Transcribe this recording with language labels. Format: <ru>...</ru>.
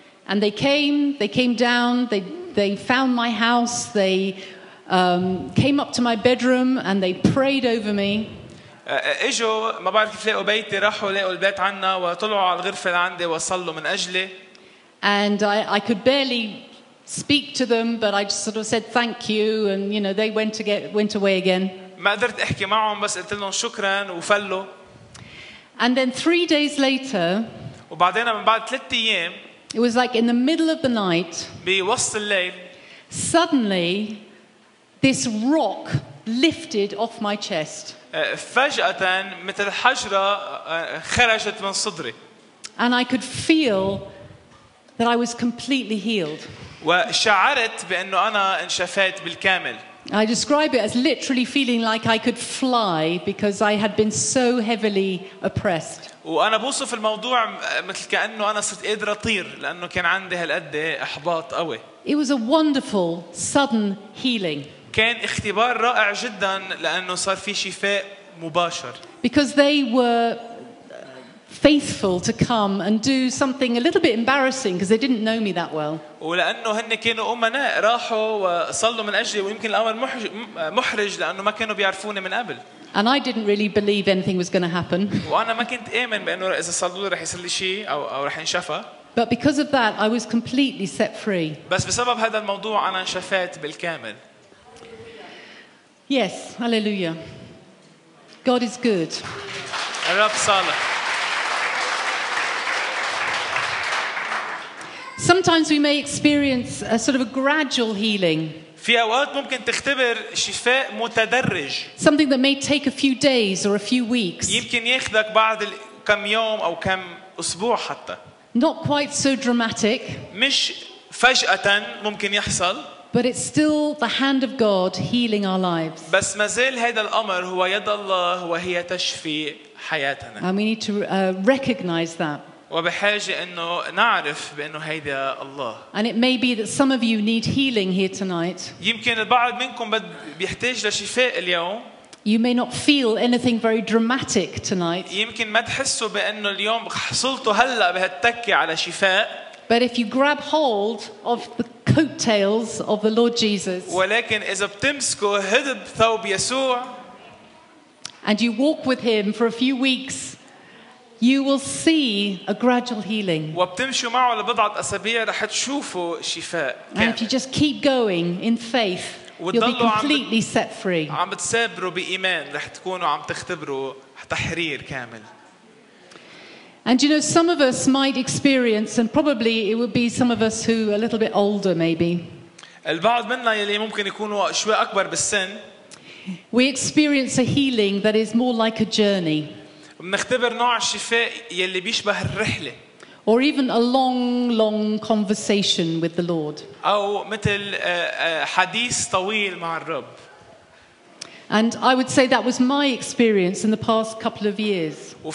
<en>And they came down, they found my house, they came up to my bedroom and they prayed over me.</en> <ar>إجوا ما بعرف كيف لقوا بيتي راحوا لقوا البيت عنا وطلعوا على الغرفة عندي وصلوا من أجلي.</ar> <en>And I could barely speak to them, but I just sort of said thank you, and you know they went away again.</en> <ar>ما قدرت أحكي معهم بس قلت لهم شكرا وفلوا.</ar> <en>And then 3 days later.</en> <ar>وبعدين من بعد 3 أيام.</ar> <en>It was like in the middle of the night.</en> <ar>بوسط الليل.</ar> <en>Suddenly, this rock lifted off my chest.</en> <ar>فجأة مثل حجرة خرجت من صدري.</ar> <en>And I could feel that I was completely healed.</en> <ar>وشعرت بأنه أنا انشفيت بالكامل.</ar> <en>I describe it as literally feeling like I could fly because I had been so heavily oppressed.</en> <ar>وأنا بوصف الموضوع مثل كأنه أنا صرت قادر أطير لأنه كان عندي هالقد إحباط قوي.</ar> <en>It was a wonderful sudden healing.</en> <ar>كان اختبار رائع جدا لأنه صار في شفاء مباشر.</ar> <en>Because they were faithful to come and do something a little bit embarrassing because they didn't know me that well.</en> <ar>ولأنه هن كانوا أمناء راحوا وصلوا من أجلي ويمكن الأمر محرج لأنه ما كانوا بيعرفوني من قبل.</ar> <en>And I didn't really believe anything was going to happen.</en> <ar>وأنا ما كنت آمن بأنه إذا صلوا رح يصير لي شيء أو رح ينشفى.</ar> <en>But because of that, I was completely set free.</en> <ar>بس بسبب هذا الموضوع أنا انشفيت بالكامل.</ar> <en>Yes, hallelujah. God is good.</en> <ar>الرب صالح.</ar> <en>Sometimes we may experience a sort of a gradual healing.</en> <ar>في أوقات ممكن تختبر شفاء متدرج.</ar> <en>Something that may take a few days or a few weeks.</en> <ar>يمكن ياخذك بعض كم يوم أو كم أسبوع حتى.</ar> <en>Not quite so dramatic.</en> <ar>مش فجأة ممكن يحصل.</ar> <en>But it's still the hand of God healing our lives.</en> <ar>بس ما زال هذا الأمر هو يد الله وهي تشفي حياتنا.</ar> <en>And we need to recognize that.</en> <ar>وبحاجة إنه نعرف بأنه هيدا الله.</ar> <en>And it may be that some of you need healing here tonight.</en> <ar>يمكن البعض منكم بيحتاج لشفاء اليوم.</ar> <en>You may not feel anything very dramatic tonight.</en> <ar>يمكن ما تحسوا بأنه اليوم حصلتوا هلا بهالتكي على شفاء.</ar> <en>But if you grab hold of the coattails of the Lord Jesus.</en> <ar>ولكن إذا بتمسكوا هدب ثوب يسوع.</ar> <en>And you walk with him for a few weeks. You will see a gradual healing.</en> <ar>وبتمشوا معه لبضعة أسابيع رح تشوفوا شفاء.</ar> <en>And if you just keep going in faith, you'll be completely set free.</en> <ar>عم بتسابروا بإيمان رح تكونوا عم تختبروا تحرير كامل.</ar> <en>And you know, some of us might experience, and probably it would be some of us who are a little bit older, maybe.</en> <ar>البعض منا يلي ممكن يكونوا شوي أكبر بالسن.</ar> <en>We experience a healing that is more like a journey.</en> <ar>بنختبر نوع الشفاء يلي بيشبه الرحلة.</ar> <en>Or even a long, long conversation with the Lord.</en> <ar>أو مثل حديث طويل مع الرب.</ar> <en>And I would say that was my experience in the past couple of years.</en>